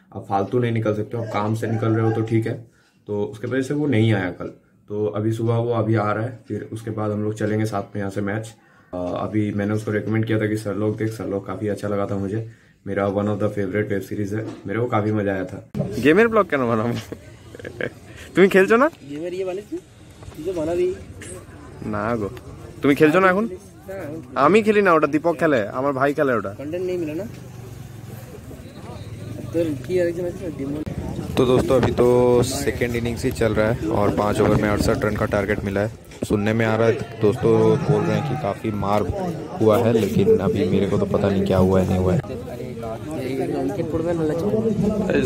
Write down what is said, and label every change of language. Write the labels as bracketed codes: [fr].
[hi] आप फालतू नहीं निकल सकते हो, आप काम से निकल रहे हो तो ठीक है. तो उसके वजह से वो नहीं आया कल, तो अभी सुबह वो अभी आ रहा है. फिर उसके बाद हम लोग चलेंगे साथ में यहाँ से मैच. अभी मैंने उसको रिकमेंड किया था कि सरलोक काफ़ी अच्छा लगा था मुझे, मेरा one of the favourite web series है, मेरे को काफ़ी मजा आया था. गेमर ब्लॉग क्या नाम तुम्हें खेल ना गेमर ये [bn] না গো তুমি খেলছো না এখন আমি খেলি না ওটা দীপক খেলে আমার ভাই খেলে ওটা [hi] तो दोस्तों अभी तो सेकेंड इनिंग्स ही चल रहा है और 5 ओवर में 68 रन का टारगेट मिला है. सुनने में आ रहा है दोस्तों बोल रहे हैं कि काफ़ी मार हुआ है, लेकिन अभी मेरे को तो पता नहीं क्या हुआ है नहीं हुआ है.